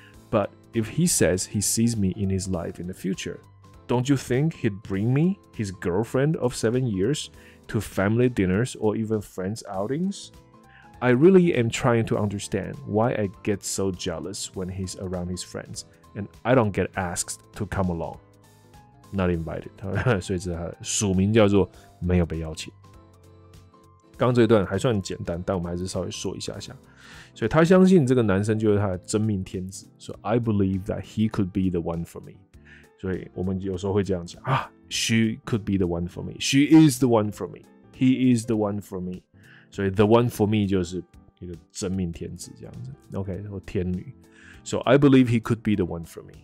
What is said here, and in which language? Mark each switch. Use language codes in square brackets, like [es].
[en] But if he says he sees me in his life in the future, don't you think he'd bring me, his girlfriend of 7 years,to family dinners or even friends outings? I really am trying to understand why I get so jealous when he's around his friends and I don't get asked to come along. Not invited. [zh] 所以这是他的署名叫做没有被邀请。刚这一段还算简单，但我们还是稍微说一下下。所以他相信这个男生就是他的真命天子。 [en] So I believe that he could be the one for me. [zh] 所以我们有时候会这样讲啊， [en] She could be the one for me. She is the one for me. He is the one for me. [zh] 所以 [en] the one for me [zh] 就是一个真命天子这样子。 [en] OK， [zh] 或天女。 [en] So I believe he could be the one for me.